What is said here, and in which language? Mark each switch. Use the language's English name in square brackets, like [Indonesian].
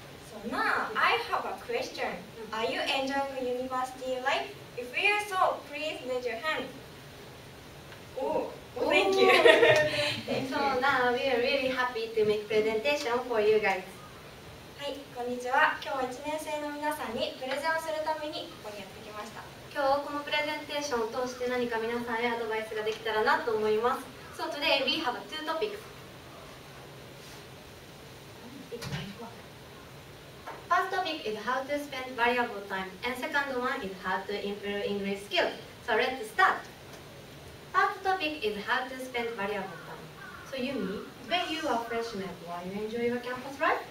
[English] So now, I have a question. Are you enjoying university life? If you are so, please raise your hand. Oh, thank you. So now, we are really happy to make presentation for you guys. [Japanese] はい、こんにちは。今日は1年生の皆さんにプレゼンをするためにここにやってきました。今日このプレゼンテーションを通して何か皆さんへアドバイスができたらなと思います。 [English] So today we have two topics. First topic is how to spend valuable time and second one is how to improve English skills. So let's start. First topic is how to spend valuable time. So Yumi, when you are freshman, why you enjoy your campus life?